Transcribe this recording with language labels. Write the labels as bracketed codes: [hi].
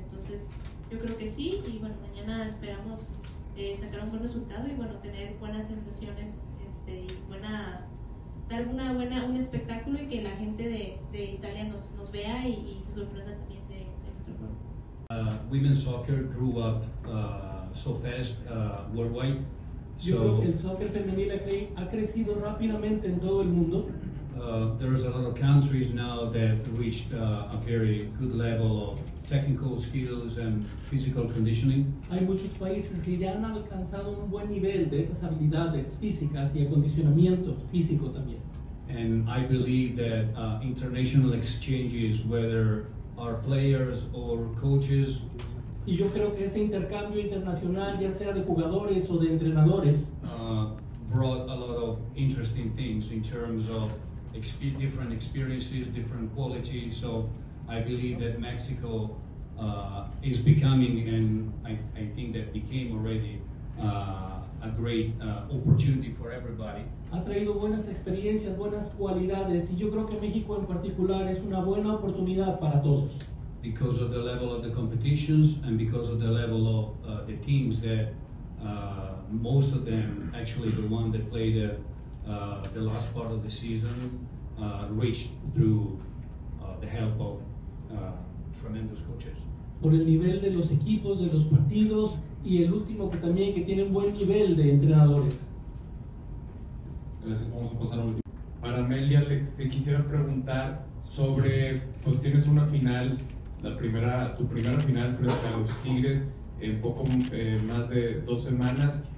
[es] Entonces, yo creo que sí, y bueno, mañana esperamos sacar un buen resultado y bueno, tener buenas sensaciones, y buena, dar una buena, un espectáculo y que la gente de Italia nos vea y se sorprenda también de nuestro juego. [en] Women's soccer grew up so fast worldwide. [es] Yo creo que el soccer femenil ha crecido rápidamente en todo el mundo. [en] There's a lot of countries now that reached a very good level of technical skills and physical conditioning. [es] Hay muchos países que ya han alcanzado un buen nivel de esas habilidades físicas y acondicionamiento físico también. [en] And I believe that international exchanges, whether our players or coaches. [es] Y yo creo que ese intercambio internacional, ya sea de jugadores o de entrenadores, [en] brought a lot of interesting things in terms of different experiences, different qualities. So I believe that Mexico is becoming, and I think that became already, a great opportunity for everybody. [es] Ha traído buenas experiencias, buenas cualidades, y yo creo que México en particular es una buena oportunidad para todos. [en] Because of the level of the competitions and because of the level of the teams that most of them, actually the one that played the last part of the season, reached through the help of tremendous coaches. [es] Por el nivel de los equipos, de los partidos, y el último que también que tiene un buen nivel de entrenadores. Gracias, vamos a pasar al último. Para Amelia le quisiera preguntar sobre, pues tienes una final, tu primera final frente a los Tigres en poco más de 2 semanas.